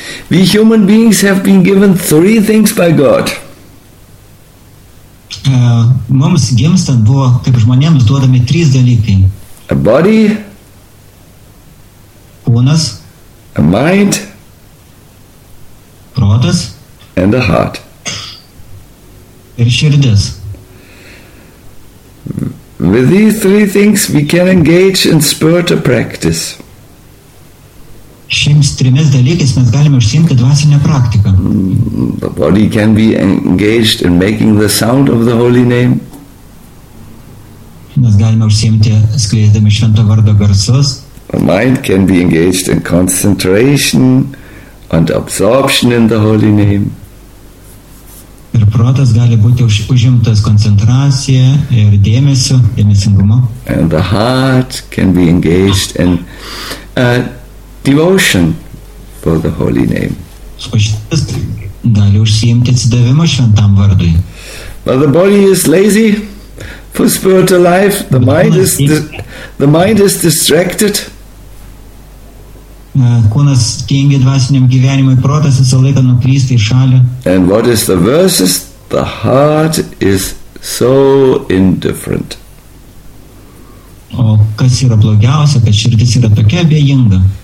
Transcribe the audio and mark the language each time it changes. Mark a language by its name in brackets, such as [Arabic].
[English] We human beings have been given 3 things by God. [Lithuanian] Mums gimstant buvo, kaip žmonėms, duodami 3 dalykai. [English] A body. [Lithuanian] Kūnas. [English] A mind. [Lithuanian] Protas. [English] And a heart. [Lithuanian] Ir širdis. [English] With these 3 things we can engage in spiritual practice. [Lithuanian] Šiems trimis dalykais mes galime užsiimti dvasinę praktiką. [English] The body can be engaged in making the sound of the holy name. [Lithuanian] Mes galime užsiimti skleidami švento vardo garsus. [English] The mind can be engaged in concentration and absorption in the holy name. [Lithuanian] Ir protas gali būti užimtas koncentracija ir dėmesingumo. [English] And the heart can be engaged in devotion for the holy name. [Lithuanian] Šitas gali užsiimti atsidavimo šventam vardui. [English] But the body is lazy for spiritual life. The mind is distracted. [Lithuanian] Kūnas tingi dvasiniam gyvenimui, protas visą laiką nuklysta į šalį. [English] And what is the verses? The heart is so indifferent. [Lithuanian] O kas yra blogiausia, kad širdis yra tokia abejinga.